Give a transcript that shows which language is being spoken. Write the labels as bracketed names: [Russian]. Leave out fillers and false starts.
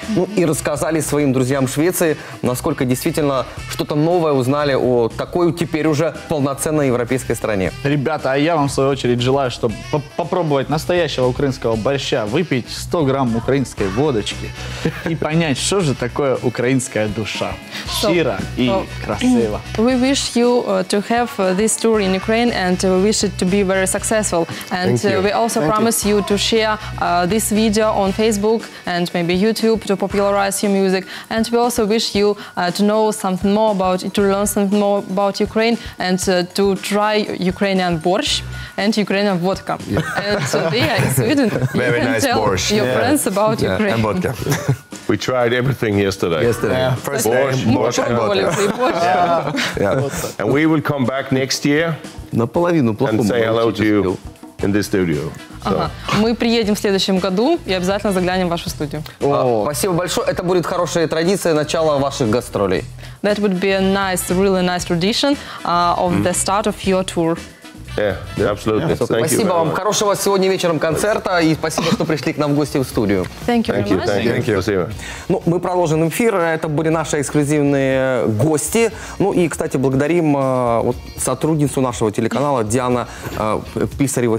[Russian] Ну и рассказали своим друзьям Швеции, насколько действительно что-то новое узнали о такой теперь уже полноценной европейской стране. Ребята, а я вам в свою очередь желаю, чтобы попробовать настоящего украинского борща, выпить 100 грамм украинской водочки и понять, что же такое украинская душа. Шира и красиво. [English] We wish you to have this tour in Ukraine and we wish it to be very successful. And we also promise you to share this video on Facebook and maybe YouTube to popularize your music. And we also wish you to know something more about, to learn something more about Ukraine and to try Ukrainian borscht and Ukrainian vodka. Yeah. And so yeah, in Sweden, very you can nice tell borscht. Your friends about Ukraine. And vodka. We tried everything yesterday. Yesterday. Yeah. First borscht and vodka. And we will come back next year [Russian] наполовину [English] and say hello to you in this studio. [Russian] Мы приедем в следующем году и обязательно заглянем в вашу студию. Спасибо большое. Это будет хорошая традиция начала ваших гастролей. [English] That would be a nice, really nice tradition of the start of your tour. Yeah, absolutely. Yeah. Thank [Russian] спасибо [English] you [Russian] вам. [English] Much. [Russian] Хорошего сегодня вечером концерта и спасибо, что пришли к нам в гости в студию. [English] Thank you very much. Thank you. [Russian] Ну, мы продолжим эфир. Это были наши эксклюзивные гости. Ну и, кстати, благодарим вот, сотрудницу нашего телеканала Диана Писарева.